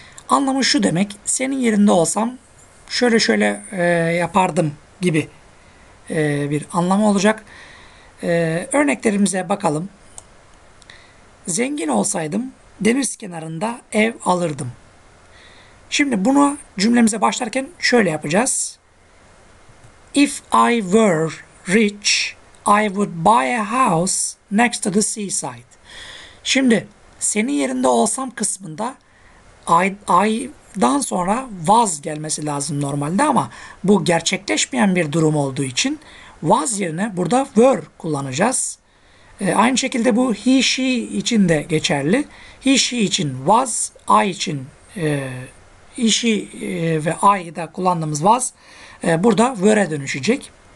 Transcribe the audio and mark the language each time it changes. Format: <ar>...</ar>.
<tr>Anlamı şu demek, senin yerinde olsam şöyle şöyle yapardım gibi bir anlamı olacak. Örneklerimize bakalım. Zengin olsaydım deniz kenarında ev alırdım. Şimdi bunu cümlemize başlarken şöyle yapacağız.</tr> <en>If I were rich, I would buy a house next to the seaside.</en> <tr>Şimdi senin yerinde olsam kısmında I'dan sonra was gelmesi lazım normalde ama bu gerçekleşmeyen bir durum olduğu için was yerine burada were kullanacağız. Aynı şekilde bu he she için de geçerli. He she için was, I için he she ve I'da kullandığımız was burada were'e dönüşecek.</tr>